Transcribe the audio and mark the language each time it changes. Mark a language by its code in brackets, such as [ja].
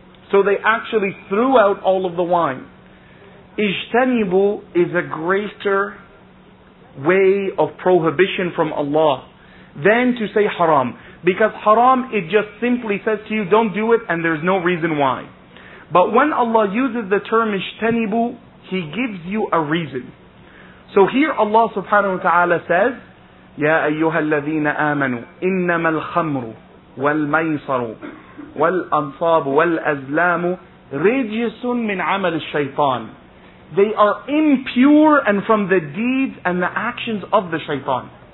[en] So they actually threw out all of the wine. Ijtanibu is a greater way of prohibition from Allah than to say haram. Because haram, it just simply says to you, don't do it, and there's no reason why. But when Allah uses the term ijtanibu, He gives you a reason. So here Allah subhanahu wa ta'ala says, [ar] يَا أَيُّهَا الَّذِينَ آمَنُوا إِنَّمَا الْخَمْرُ وَالْمَيْصَرُ وَالْأَنْصَابُ وَالْأَزْلَامُ رِجِسٌ مِّنْ عَمَلِ الشَّيْطَانِ. [en] They are impure and from the deeds and the actions of the shaitan.